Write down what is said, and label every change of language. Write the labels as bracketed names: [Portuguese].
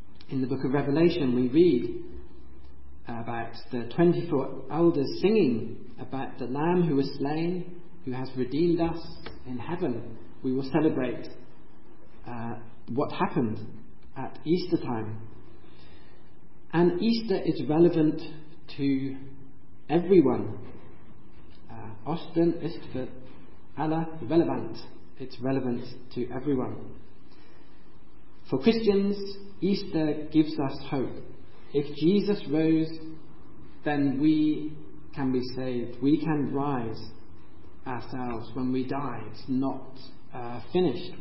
[English] In the book of Revelation, we read about the 24 elders singing about the Lamb who was slain, who has redeemed us in heaven. We will celebrate what happened at Easter time. And Easter is relevant to everyone. [German] Osten ist für alle relevant. [English] It's relevant to everyone. For Christians, Easter gives us hope. If Jesus rose, then we can be saved. We can rise ourselves when we die. It's not finished.